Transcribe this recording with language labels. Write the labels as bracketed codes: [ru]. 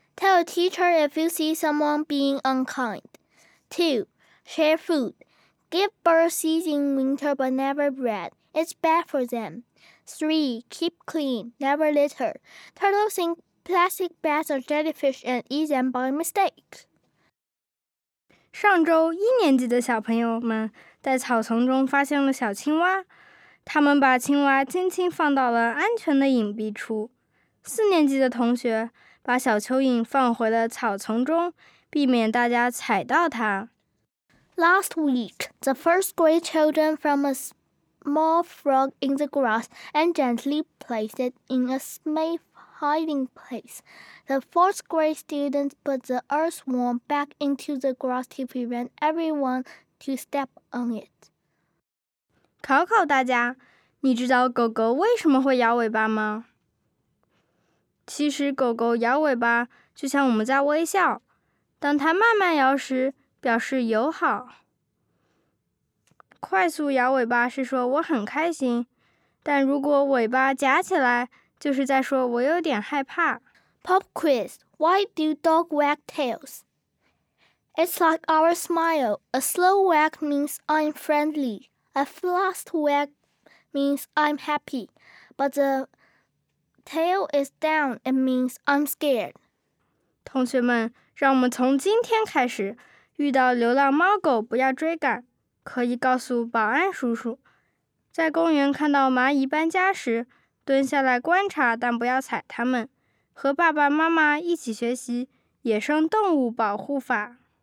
[en] Tell a teacher if you see someone being unkind. Two, share food. Give birds seeds in winter but never bread. It's bad for them. 3. Keep clean. Never litter. Turtles think plastic bags are jellyfish and eat them by mistake. [zh] 上周一年级的小朋友们在草丛中发现了小青蛙，他们把青蛙轻轻放到了安全的隐蔽处。四年级的同学把小蚯蚓放回了草丛中，避免大家踩到它。 [en] Last week, the first grade children from a small frog in the grass and gently placed it in a safe hiding place. The fourth grade students put the earthworm back into the grass to prevent everyone to step on it. [zh] 考考大家，你知道狗狗为什么会摇尾巴吗？其实狗狗摇尾巴就像我们在微笑，当它慢慢摇时，表示友好。快速摇尾巴是说我很开心，但如果尾巴夹起来，就是在说我有点害怕。 [en] Pop quiz, why do dogs wag tails? It's like our smile. A slow wag means I'm friendly. A fast wag means I'm happy. But the tail is down, it means I'm scared. [zh] 同学们，让我们从今天开始，遇到流浪猫狗不要追赶。可以告诉保安叔叔，在公园看到蚂蚁搬家时，蹲下来观察，但不要踩它们。和爸爸妈妈一起学习野生动物保护法。